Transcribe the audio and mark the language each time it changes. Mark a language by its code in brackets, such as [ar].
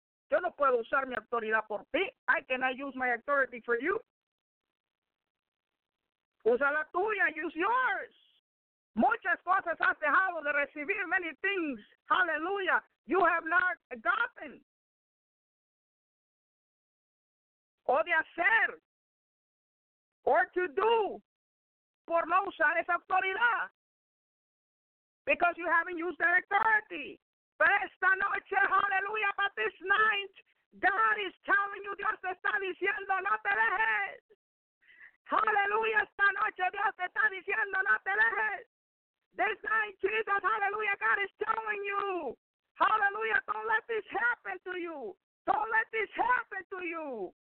[es] Yo no puedo usar mi autoridad por ti. [en] I cannot use my authority for you. [es] Usa la tuya. [en] Use yours. [es] Muchas cosas has dejado de recibir. [en] Many things. Hallelujah. You have not gotten. [es] O de hacer. [en] Or to do. [es] Por no usar esa autoridad. [en] Because you haven't used that authority. [es] Pero esta noche, hallelujah, [en] but this night, God is telling you, [es] Dios te está diciendo, no te dejes. Hallelujah, esta noche, Dios te está diciendo, no te dejes. [en] This night, Jesus, hallelujah, God is telling you, hallelujah, don't let this happen to you. Don't let this happen to you.